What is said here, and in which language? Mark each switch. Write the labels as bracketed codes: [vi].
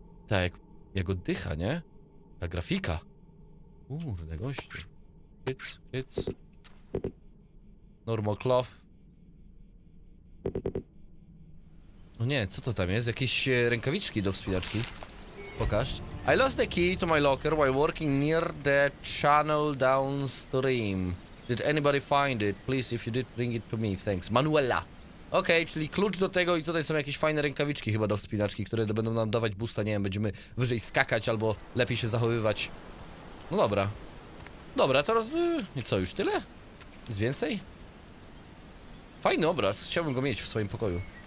[pl] Tak, jak oddycha, nie? Ta grafika. Kurde, gościu. [en] Hits, hits. Normal cloth. [pl] No nie, co to tam jest? Jakieś rękawiczki do wspinaczki? Pokaż. [en] I lost the key to my locker while working near the channel downstream. Did anybody find it? Please, if you did, bring it to me. Thanks. Manuela. [pl] Okej, okay, czyli klucz do tego i tutaj są jakieś fajne rękawiczki chyba do wspinaczki, które będą nam dawać boosta, nie wiem, będziemy wyżej skakać albo lepiej się zachowywać. No dobra. Dobra, teraz... i co, już tyle? Nic więcej? Fajny obraz, chciałbym go mieć w swoim pokoju.